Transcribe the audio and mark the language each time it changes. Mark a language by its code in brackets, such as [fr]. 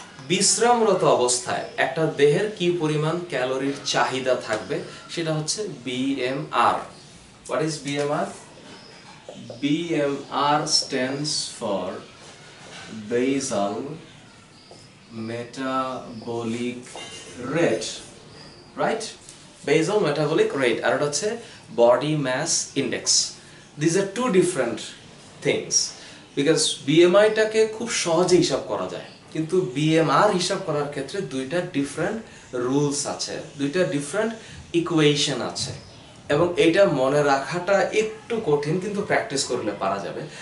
[bn] বিশ্রামরত অবস্থায় একটা দেহের কি পরিমাণ ক্যালোরির চাহিদা থাকবে সেটা হচ্ছে BMR [en] What is BMR BMR stands for basal metabolic rate, right? [bn] basal metabolic rate আর এটা হচ্ছে body mass index. [en] These are two different things because [bn] BMI টাকে খুব সহজে হিসাব করা যায়, কিন্তু BMR হিসাব করার ক্ষেত্রে দুইটা different rules আছে, দুইটা different equation আছে, এবং এটা মনে রাখাটা একটু কঠিন কিন্তু প্র্যাকটিস করলে পারা যাবে.